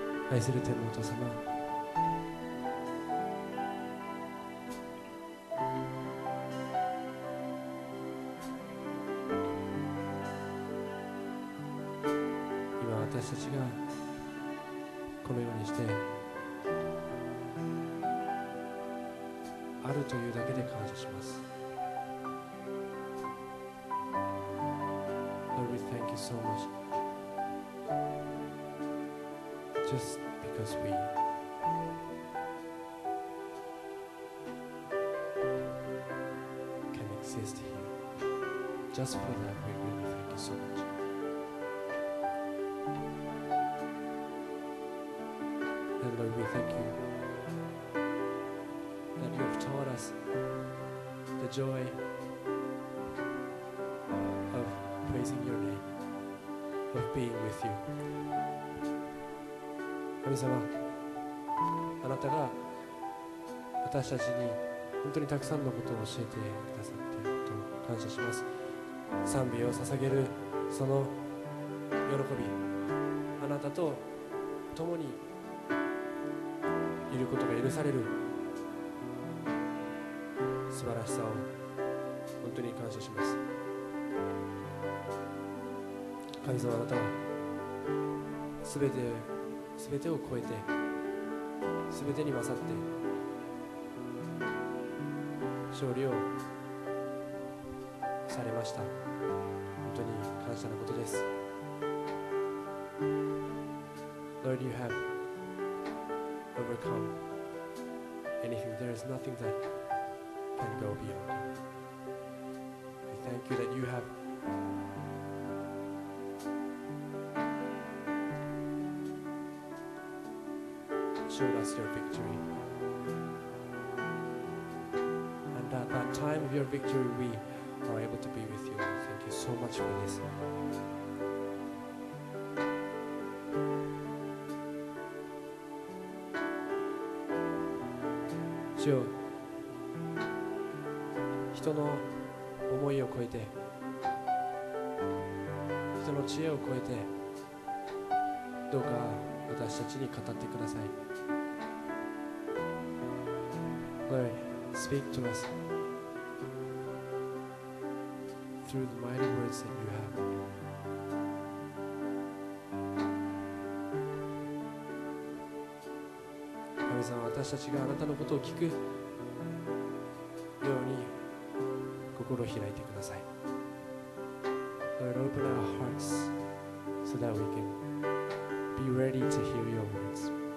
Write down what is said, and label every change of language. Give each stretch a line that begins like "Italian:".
Japanese: 愛する天のお父様、今私たちがこのようにしてあるというだけで感謝します。
English: Lord, we thank you so much justBecause we can exist here. Just for that, we really thank you so much. And Lord, we thank you that you have taught us the joy of praising your name, of being with you.
Japanese: 神様、あなたが私たちに本当にたくさんのことを教えてくださっていると感謝します。賛美を捧げるその喜び、あなたと共にいることが許される素晴らしさを本当に感謝します。神様、あなたは全てを超えて、全てに勝って勝利をされました。本当に感謝のことです。
English: Lord, you have overcome anything. There is nothing that can go beyond you. We thank you that you haveShowed us your victory. And at that time of your victory, we are able to be with you. Thank you so much for this.
Japanese: 主よ、人の思いを超えて、人の知恵を超えて、どうか私たちに語ってください。
English: Lord, speak to us through the mighty words that you have.
Japanese: 私たちがあなたのことを聞くように心を開いてください。
English: Lord, open our hearts so that we can be ready to hear your words.